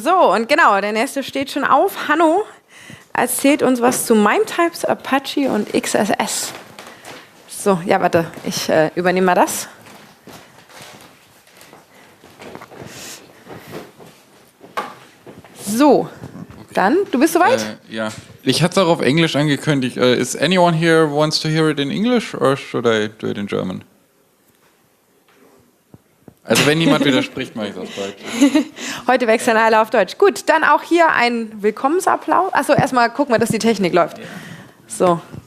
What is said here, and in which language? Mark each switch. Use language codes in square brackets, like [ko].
[de] So, und genau, der nächste steht schon auf. Hanno erzählt uns was zu MIME-Types, Apache und XSS. So, ja, warte, ich übernehme mal das. So, dann, du bist soweit? Ja, ich hatte es auch auf Englisch angekündigt. [en] Is anyone here wants to hear it in English or should I do it in German? [de] Also wenn niemand widerspricht, mache ich es auf Deutsch. Heute wechseln alle auf Deutsch. Gut, dann auch hier ein Willkommensapplaus. Achso, erstmal gucken wir, dass die Technik läuft. So.